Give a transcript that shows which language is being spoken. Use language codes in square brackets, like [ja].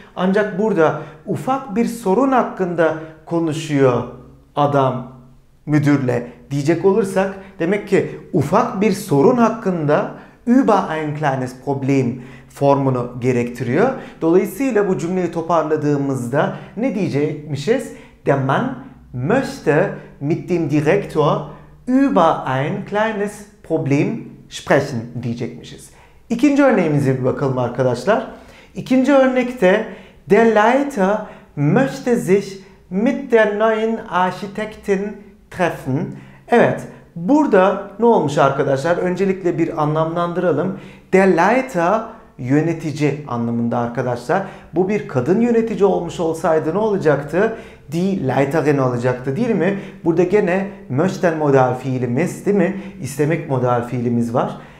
[tr] Ancak burada ufak bir sorun hakkında konuşuyor adam müdürle diyecek olursak demek ki ufak bir sorun hakkında [de] über ein kleines Problem [tr] formunu gerektiriyor. Dolayısıyla bu cümleyi toparladığımızda ne diyecekmişiz? [de] Der Mann möchte mit dem Direktor über ein kleines Problem sprechen [tr] diyecekmişiz. İkinci örneğimize bir bakalım arkadaşlar. İkinci örnekte [de] der Leiter möchte sich mit der neuen Architektin treffen. [tr] Evet, burada ne olmuş arkadaşlar? Öncelikle bir anlamlandıralım. Der Leiter yönetici anlamında arkadaşlar. Bu bir kadın yönetici olmuş olsaydı ne olacaktı? Die Leiterin olacaktı değil mi? Burada gene möchten modal fiilimiz değil mi? İstemek modal fiilimiz var.